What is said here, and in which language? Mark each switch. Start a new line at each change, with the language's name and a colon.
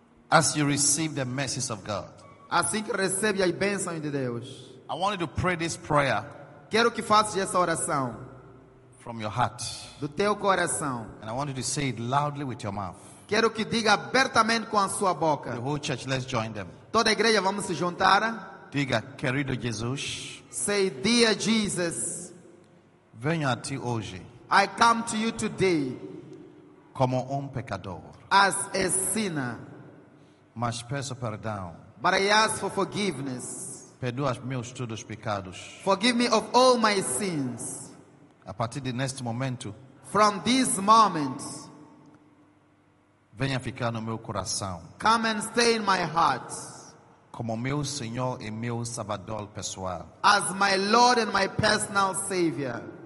English: As you receive the message of God.
Portuguese: Assim que recebe as bênçãos de Deus.
English: I want you to pray this prayer.
Portuguese: Quero que faças essa oração.
English: From your heart.
Portuguese: Do teu coração.
English: And I want you to say it loudly with your mouth.
Portuguese: Quero que diga abertamente com a sua boca.
English: The whole church, let's join them.
Portuguese: Toda a igreja, vamos se juntar. Diga, querido Jesus.
English: Say, dear Jesus.
Portuguese: Venho a ti hoje.
English: I come to you today
Portuguese: como pecador,
English: as a sinner,
Portuguese: mas peço perdão,
English: but I ask for forgiveness.
Portuguese: Perdoa meus todos pecados.
English: Forgive me of all my sins.
Portuguese: A partir de neste momento,
English: from this moment,
Portuguese: venha ficar no meu coração.
English: Come and stay in my heart.
Portuguese: como meu Senhor e meu Salvador pessoal.
English: As my Lord and my personal Savior.